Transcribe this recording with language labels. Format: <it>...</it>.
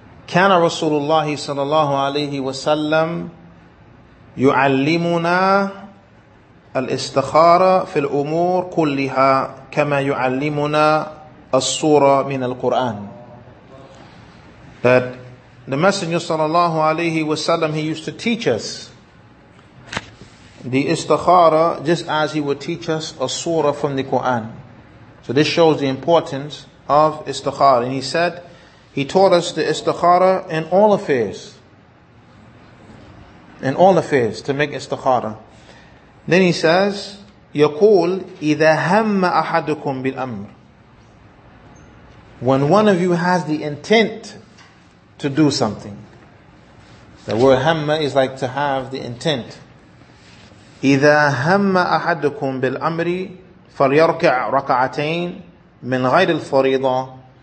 <ar>كان رسول الله صلى الله عليه وسلم يعلمنا الاستخارة في الأمور كلها كما يعلمنا الصورة من القرآن.</ar> <en>That the Messenger</en> <ar>صلى الله عليه وسلم,</ar> <en>he used to teach us the istikhara just as he would teach us a surah from the Quran. So this shows the importance of istikhara. And he said, he taught us the istikhara in all affairs. In all affairs, to make istikhara. Then he says,</en> <ar>يقول, إِذَا هَمَّ أَحَدُكُمْ بِالْأَمْرِ.</ar> <en>When one of you has the intent to do something. The word hamma is like to have the intent.</en> <ar>إِذَا هَمَّ أَحَدُكُمْ بِالْأَمْرِ فَلْيَرْكَعْ رَكَعَتَيْنِ مِنْ غَيْرِ الْفَرِيضَةِ.</ar>